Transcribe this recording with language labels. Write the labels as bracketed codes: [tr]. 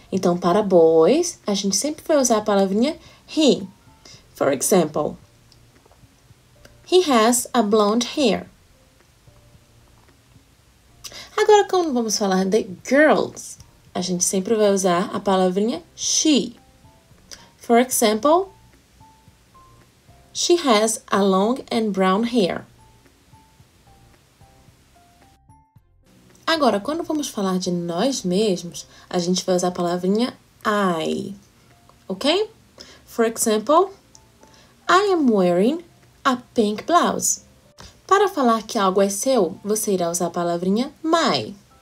[pt] Então, para boys, a gente sempre vai usar a palavrinha he. [en] For example, he has a blonde hair. [pt] Agora, quando vamos falar de girls, a gente sempre vai usar a palavrinha she. [en] For example, she has a long and brown hair. [pt] Agora, quando vamos falar de nós mesmos, a gente vai usar a palavrinha I, ok? [en] For example, I am wearing a pink blouse. [pt] Para falar que algo é seu, você irá usar a palavrinha my.